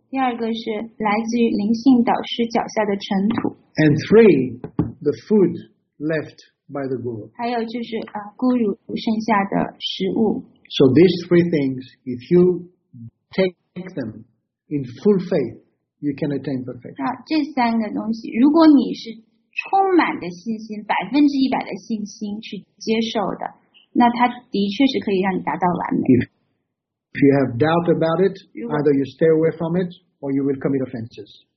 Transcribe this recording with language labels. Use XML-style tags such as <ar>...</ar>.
<zh>第二个是来自于灵性导师脚下的尘土。</zh> <en>And three, the food left by the guru.</en> <zh>还有就是guru剩下的食物。</zh> <en>So these three things, if you take them in full faith, you can attain perfection.</en> <zh>这三个东西，如果你是 充满的信心，100%的信心去接受的，那它的确是可以让你达到完美。If</zh> <en>you have doubt about it, either you stay away from it or you will commit offenses.</en>